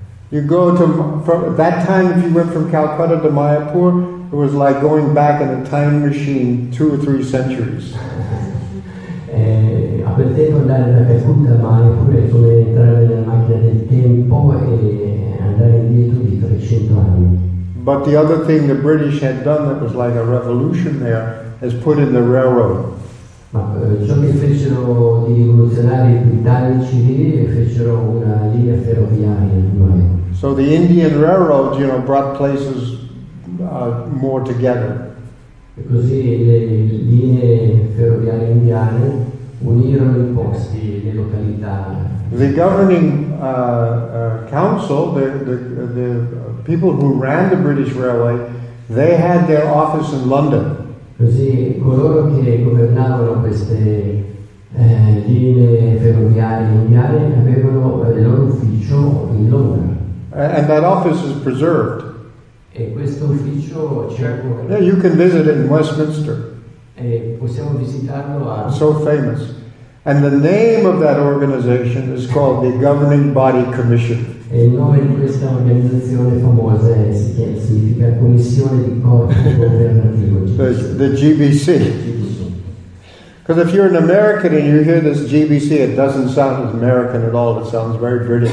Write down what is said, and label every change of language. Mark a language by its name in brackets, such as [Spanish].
[English] You go to, from that time, if you went from Calcutta to Mayapur, it was like going back in a time machine 2 or 3 centuries. [Italian] Quel tempo andare da Calcutta a Mayapur è come entrare nella macchina del tempo e andare indietro di 300 anni. [English] But the other thing the British had done that was like a revolution there is put in the railroad. [Italian] Ma ciò che fecero di rivoluzionari britannici lì fecero una linea ferroviaria. [English] So the Indian railroad, you know, brought places more together. [Italian] E così le linee ferroviarie indiane. [English] The governing council, the people who ran the British Railway, they had their office in London. [Italian] Così coloro che governavano queste linee ferroviarie indiane avevano il loro ufficio in Londra. [English] And that office is preserved. [Italian] E questo ufficio c'è ancora. [English] Yeah, you can visit it in Westminster. [Italian] E possiamo visitarlo a. [English] So famous. And the name of that organization is called the Governing Body Commission. [Italian] E il nome di questa organizzazione famosa significa Commissione di Corpo Governativo. [English] The GBC. Because if you're an American and you hear this GBC, it doesn't sound as American at all. It sounds very British.